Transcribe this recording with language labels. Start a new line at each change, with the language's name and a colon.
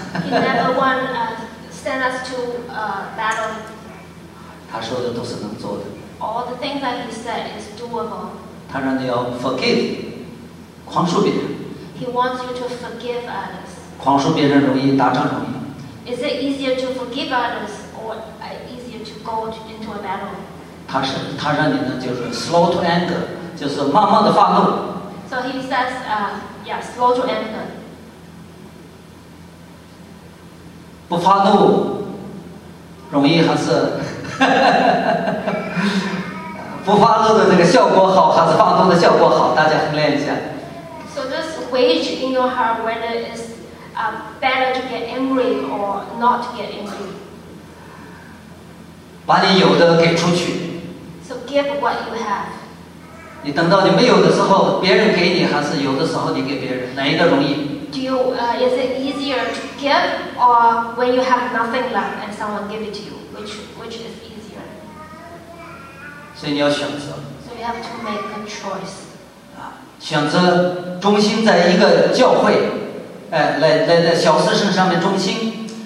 English: He never sent us to battle.
Chinese: 他说的都是能做的。
English: All the things that he said is doable.
Chinese: 他让你要 forgive, 宽恕别人。
English: He wants you to forgive others.
Chinese: 宽恕别人容易，打仗容易。
English: Is it easier to forgive others or easier to go into a battle?
Chinese: 他让你呢，就是
English: slow to anger,
Chinese: 就是慢慢的发怒。
English: So he says, slow to anger.
Chinese: 不发怒容易还是？不发怒的那个效果好，还是发怒的效果好？大家衡量一下。
English: So just wage in your heart whether it's better to get angry or not to get angry.
Chinese: 把你有的给出去。
English: So give what you have.
Chinese: 你等到你没有的时候，别人给你，还是有的时候你给别人，哪一个容易？
English: Do you is it easier to give or when you have nothing left and someone give it to you? Which is easier?
Chinese: 所以你要选择。
English: So you have to make a choice.
Chinese: 选择忠心在一个教会，在小事上面忠心。